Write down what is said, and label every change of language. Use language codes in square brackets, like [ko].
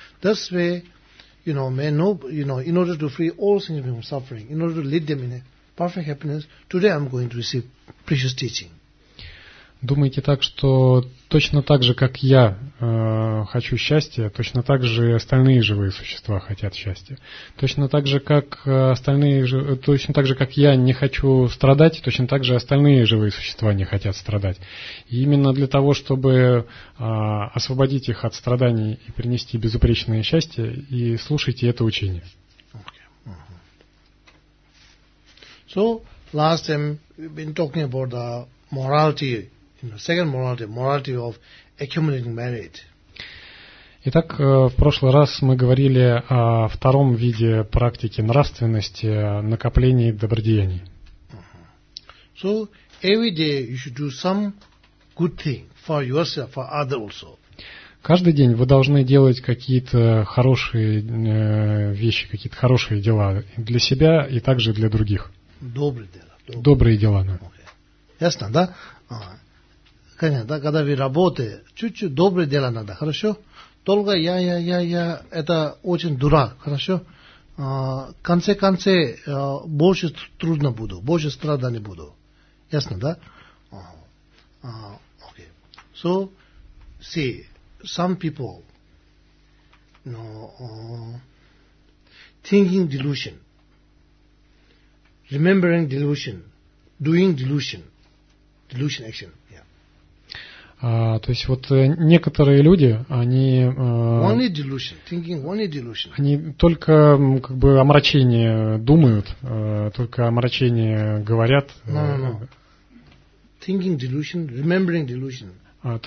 [en] This way, you know, may no, you know, in order to free all sentient beings from suffering, in order to lead them in a perfect happiness, today I'm going to receive precious teaching. [ru] Думайте так, что точно так же, как я хочу счастья, точно так же и остальные живые существа хотят счастья. Точно так же, как я не хочу страдать, точно так же остальные живые существа не хотят страдать. И именно для того, чтобы освободить их от страданий и принести безупречное счастье, и слушайте это учение. [en] So, last time we've been talking about the morality. In the second morality, morality of accumulating merit. [ru] Итак, в прошлый раз мы говорили о втором виде практики нравственности, накоплении добродеяний. [en] So every day you should do some good thing for yourself, for others also. [ru] Каждый день вы должны делать какие-то хорошие вещи, какие-то хорошие дела для себя и также для других. Добрые дела. Да. Okay. Ясно, да? Конечно, да, когда вы работаете, чуть-чуть добрые дела надо, хорошо? Долго я, это очень дурак, хорошо? В конце концов, больше трудно буду, больше страданий буду. Ясно, да? Okay. [en] So, see, some people, you know, thinking delusion, remembering delusion, doing delusion action. [ru] То есть вот некоторые люди, они, они только как бы омрачение думают, только омрачение говорят. [en] No. Thinking delusion, remembering delusion.